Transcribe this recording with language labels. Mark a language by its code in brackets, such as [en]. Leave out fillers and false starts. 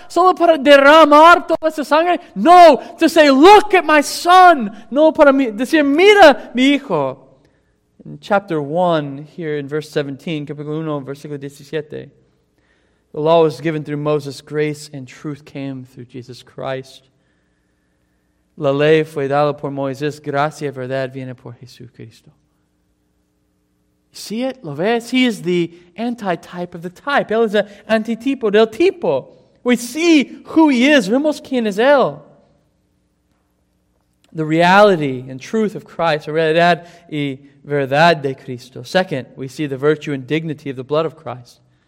[es] ¿Solo para derramar toda esa sangre? No, [en] to say, look at my son. [es] No, para decir, mira mi hijo. [en] In chapter 1, here in verse 17, [es] capítulo 1, versículo 17, [en] the law was given through Moses, grace and truth came through Jesus Christ. [es] La ley fue dada por Moisés, gracia y verdad viene por Jesucristo. [en] You see it? [es] ¿Lo ves? [en] He is the anti-type of the type. [es] Él es el antitipo del tipo. [en] We see who he is. [es] Vemos quién es él. [en] The reality and truth of Christ, [es] realidad y verdad de Cristo. [en] Second, we see the virtue and dignity of the blood of Christ.